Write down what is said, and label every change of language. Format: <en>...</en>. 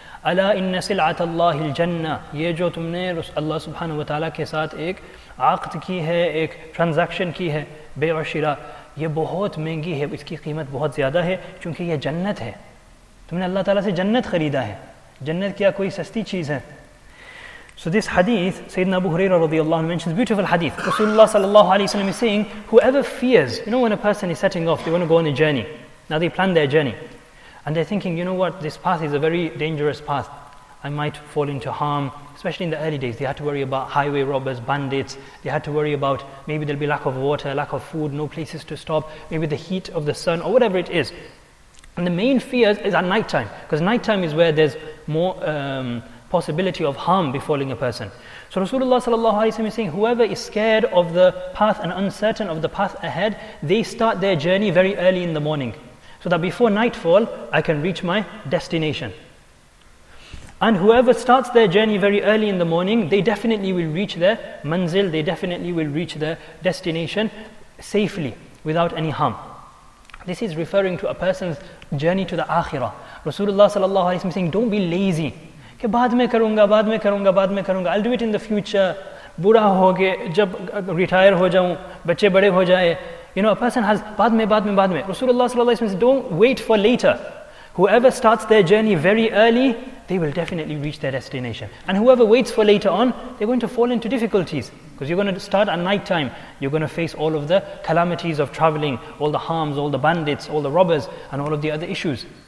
<ar>الا ان سلعۃ اللہ الجنہ,</ar> <ur>یہ جو تم نے اللہ سبحانہ و تعالیٰ کے ساتھ ایک عقد کی ہے, ایک ٹرانزیکشن کی ہے بے و شرا, یہ بہت مہنگی ہے, اس کی قیمت بہت زیادہ ہے, چونکہ یہ جنت ہے, تم نے اللہ تعالیٰ سے جنت خریدا ہے, جنت کیا کوئی سستی چیز ہے.</ur> <en>So this hadith, Sayyidina Abu Huraira radiallahu anhu mentions, beautiful hadith. Rasulullah sallallahu alayhi wa sallam is saying, whoever fears, you know when a person is setting off, they want to go on a journey. Now they plan their journey. And they're thinking, you know what, this path is a very dangerous path. I might fall into harm. Especially in the early days, they had to worry about highway robbers, bandits. They had to worry about maybe there'll be lack of water, lack of food, no places to stop. Maybe the heat of the sun or whatever it is. And the main fear is at night time, because night time is where there's more possibility of harm befalling a person. So Rasulullah sallallahu alayhi wa sallam is saying, whoever is scared of the path and uncertain of the path ahead, they start their journey very early in the morning, so that before nightfall, I can reach my destination. And whoever starts their journey very early in the morning, they definitely will reach their manzil, they definitely will reach their destination safely, without any harm. This is referring to a person's journey to the Akhirah. Rasulullah sallallahu alayhi wa sallam is saying, don't be lazy.</en> <ur>کہ بعد میں کروں گا, بعد میں کروں گا, بعد میں کروں گا,</ur> <en>I'll do it in the future,</en> <ur>بوڑھا ہو گئے جب ریٹائر ہو جاؤں, بچے بڑے ہو جائے,</ur> <en>you know, a person has,</en> <ur>بعد میں, بعد میں, بعد میں.</ur> <en>رسول اللہ صلی اللہ علیہ وسلم says, don't wait for later. Whoever starts their journey very early, they will definitely reach their destination. And whoever waits for later on, they're going to fall into difficulties. Because you're going to start at night time, you're going to face all of the calamities of traveling, all the harms, all the bandits, all the robbers, and all of the other issues.</en>